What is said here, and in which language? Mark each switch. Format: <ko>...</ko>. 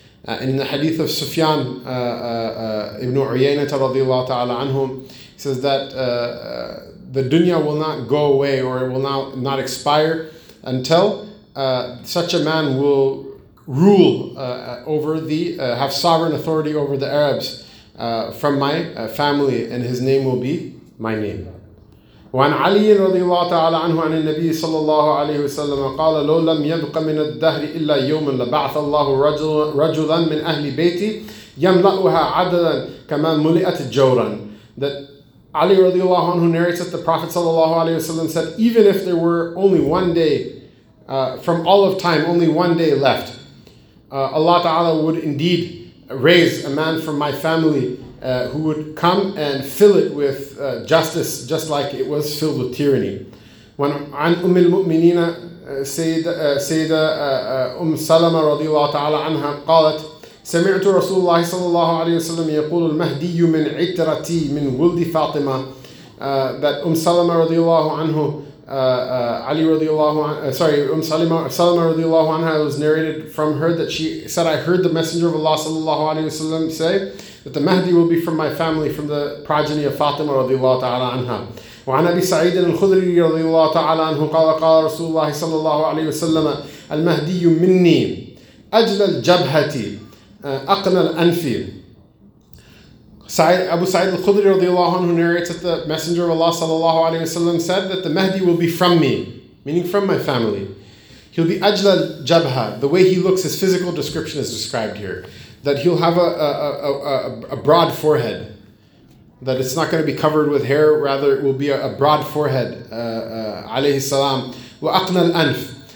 <en>In the hadith of Sufyan ibn Uyaynah radiallahu ta'ala anhum, he says that the dunya will not go away, or it will not expire until such a man will rule over the have sovereign authority over the Arabs from my family, and his name will be my name.</en> <ar>وعن علي رضي الله تعالى عنه عن النبي صلى الله عليه وسلم قال لو لم يبق من الدهر إلا يوما لبعث الله رجلا من أهل بيتي يملأها عدلا كما ملئت جورا.</ar> <en>That Ali رضي الله عنه narrates that the Prophet صلى الله عليه وسلم said, even if there were only one day from all of time, only one day left, Allah Ta'ala would indeed raise a man from my family who would come and fill it with justice, just like it was filled with tyranny.</en> <ar>When عن أم المؤمنين سيدة أم سلمة رضي الله تعالى عنها قالت سمعت رسول الله صلى الله عليه وسلم يقول المهدي من عترتي من ولد فاطمة.</ar> <en>That أم سلمة رضي الله عنه Ali رضي الله Salama رضي الله عنها, it was narrated from her that she said, I heard the Messenger of Allah صلى الله عليه وسلم say that the Mahdi will be from my family, from the progeny of Fatima رضي الله تعالى عنها.</en> <ar>وعن أبي سعيد الخدري رضي الله تعالى عنه قال قال رسول الله صلى الله عليه وسلم المهدي مني أجل الجبهة أقنى الأنف.</ar> <en>Abu Sa'id al-Khudri radiallahu anhu narrates that the Messenger of Allah sallallahu alayhi wa sallam said that the Mahdi will be from me, meaning from my family. He'll be ajla jabha, the way he looks, his physical description is described here. That he'll have a broad forehead, that it's not going to be covered with hair, rather it will be a broad forehead, alayhi salam. Wa aqna al-anf.</en>